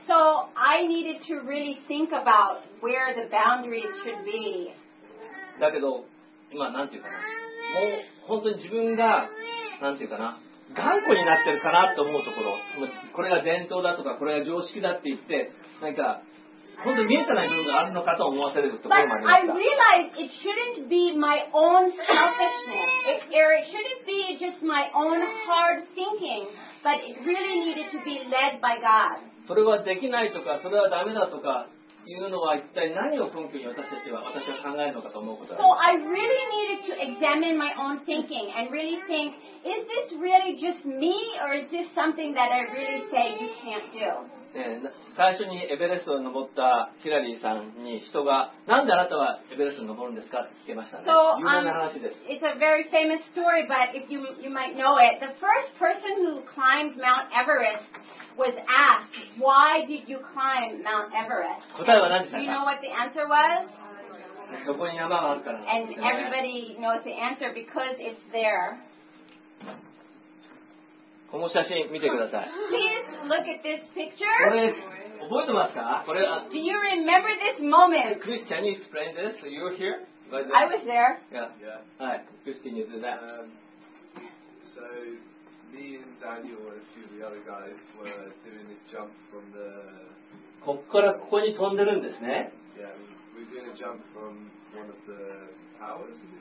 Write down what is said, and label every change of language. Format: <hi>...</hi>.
<en>So I needed to really think about where the boundaries should be.</en> <ja>だけど今なんていうかな、もう本当に自分がなんていうかな、頑固になってるかなと思うところ、これが伝統だとかこれが常識だって言って何か。本当に見えてない部分があるのかと思わせるところもありました。</ja> <en>But I realized it shouldn't be my own selfishness, or it shouldn't be just my own hard thinking, but it really needed to be led by God.</en> <ja>それはできないとか、それはダメだとかいうのは一体何を根拠に私たちは考えるのかと思うことがあります。</ja> <en>So I really needed to examine my own thinking and really think, is this really just me, or is this something that I really say you can't do?</en> <ja>最初にエベレストを登ったヒラリーさんに人が、なんであなたはエベレストに登るんですかって聞けましたね。</ja> <en>So,</en> <ja>有名な話です。</ja> <en>It's a very famous story, but if you might know it, the first person who climbed Mount Everest was asked, why did you climb Mount Everest?</en> <ja>答えは何でしたか?</ja> <en>Do you know what the answer was?</en> <ja>そこに山があるから。</ja> <en>And everybody knows the answer because it's there.</en> <ja>この写真見てください。</ja> <en>Please look at this picture.</en> <ja>これ覚えてますか？これは。</ja> <en>Do you remember this moment? Chris, can you explain this? You were here? I was there. Yeah. Yeah. Hi, Chris, can you do that? So, me and Daniel and a few of the other guys were doing this jump from the.</en> <ja>こっからここに飛んでるんですね。</ja> <en>Yeah, we're doing a jump from one of the towers.</en>